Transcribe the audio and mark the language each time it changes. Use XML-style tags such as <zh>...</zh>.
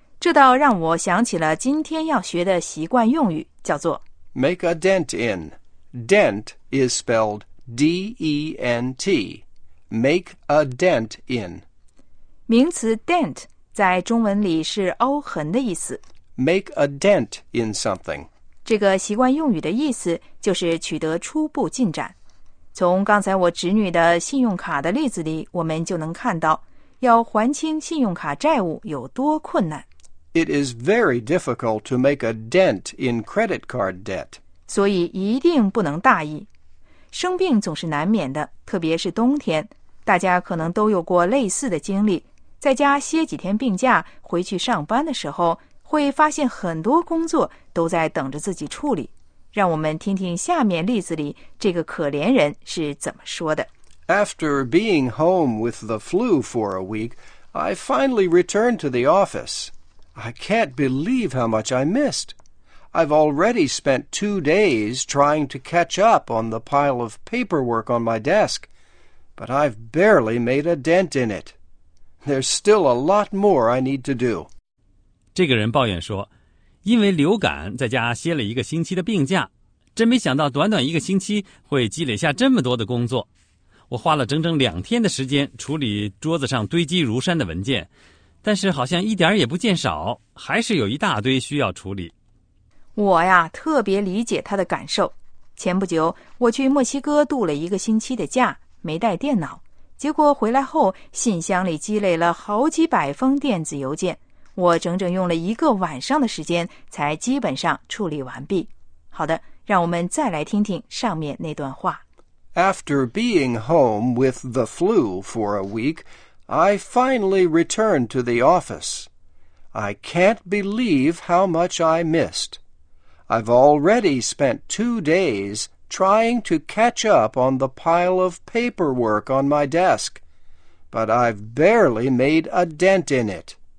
<zh>这倒让我想起了今天要学的习惯用语，叫做</zh> <en>Make a dent in. Dent is spelled D-E-N-T. Make a dent in.</en> <zh>名词 dent 在中文里是凹痕的意思。</zh> <en>Make a dent in something.</en> <zh>这个习惯用语的意思就是取得初步进展。从刚才我侄女的信用卡的例子里，我们就能看到，要还清信用卡债务有多困难。</zh> <en>It is very difficult to make a dent in credit card debt.</en> <zh>所以一定不能大意。生病总是难免的，特别是冬天，大家可能都有过类似的经历，在家歇几天病假，回去上班的时候会发现很多工作都在等着自己处理。让我们听听下面例子里这个可怜人是怎么说的。</zh> <en>After being home with the flu for a week, I finally returned to the office. I can't believe how much I missed. I've already spent 2 days trying to catch up on the pile of paperwork on my desk, but I've barely made a dent in it. There's still a lot more I need to do.</en> <zh>这个人抱怨说，因为流感在家歇了一个星期的病假，真没想到短短一个星期会积累下这么多的工作。我花了整整2天的时间处理桌子上堆积如山的文件，但是好像一点也不见少，还是有一大堆需要处理。我呀，特别理解他的感受。前不久，我去墨西哥度了一个星期的假，没带电脑。结果回来后，信箱里积累了好几百封电子邮件，我整整用了一个晚上的时间才基本上处理完毕。好的，让我们再来听听上面那段话。</zh> <en>After being home with the flu for a week, I finally returned to the office. I can't believe how much I missed. I've already spent 2 days trying to catch up on the pile of paperwork on my desk, but I've barely made a dent in it.</en>